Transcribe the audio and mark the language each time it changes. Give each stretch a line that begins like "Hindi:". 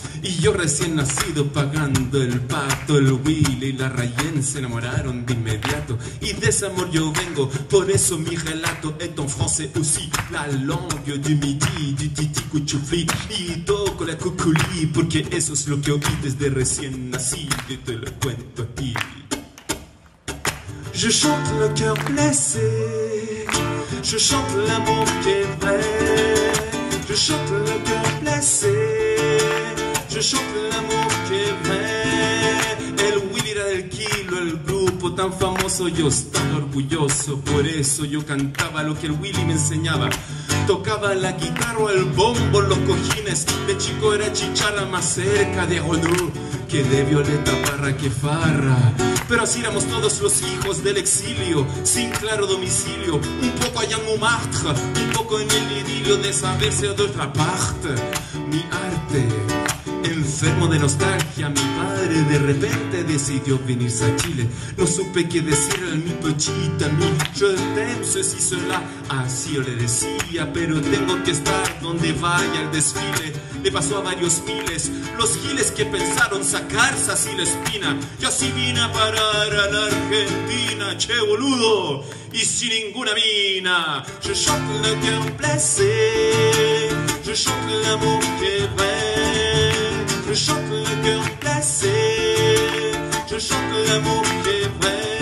Spanish: Y yo recién nacido pagando el pato. El Willy y la Rayen se enamoraron de inmediato. Y de ese amor yo vengo, por eso mi relato es en francés aussi.
French: La langue du midi,
Spanish: du titi cuchufli. Y toco la cuculi, porque eso es lo que oí desde recién nacido. Y te lo cuento a ti.
French: Je chante le cœur blessé. Je chante l'amour qui est vrai. Je chante le cœur blessé. Je chante l'amour qui est vrai.
Spanish: El Willy era del Kilo, el grupo tan famoso. Yo estaba orgulloso, por eso yo cantaba lo que el Willy me enseñaba. Tocaba la guitarra o el bombo, los cojines. De chico era chicharra, más cerca de Honor que de Violeta Parra, que Farra. Pero así éramos todos los hijos del exilio, sin claro domicilio. Un poco allá en Montmartre, un poco en el idilio de saberse de otra parte. Mi arte, enfermo de nostalgia, mi padre de repente decidió venirse a Chile. No supe qué decirle a mi pochita, mi
French: je t'aime, si cela.
Spanish: Así yo le decía, pero tengo que estar donde vaya el desfile. Le pasó a varios miles, los giles que pensaron sacarse así la espina. Y así vine a parar a la Argentina, che boludo, y sin ninguna mina.
French: Je chante le cœur blessé, je chante l'amour que va. Je chante le cœur blessé, je chante l'amour qui est vrai.